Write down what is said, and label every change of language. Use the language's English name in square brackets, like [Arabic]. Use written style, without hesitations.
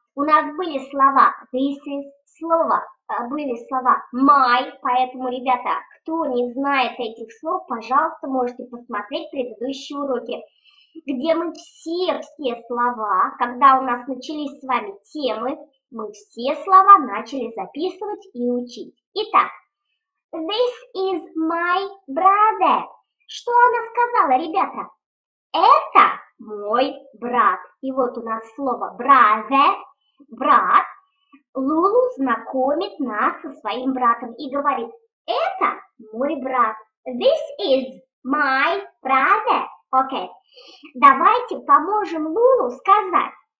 [Russian] У нас были слова [English] this is, [Russian] слово. Были слова [English] my, [Russian] поэтому, ребята, кто не знает этих слов, пожалуйста, можете посмотреть предыдущие уроки, где мы все-все слова, когда у нас начались с вами темы, мы все слова начали записывать и учить. Итак, [English] this is my brother. [Russian] Что она сказала, ребята? Это мой брат. И вот у нас слово brother, брат. Лулу знакомит нас со своим братом и говорит, это мой брат. [English] This is my brother. [Russian] Окей. Давайте поможем Лулу сказать,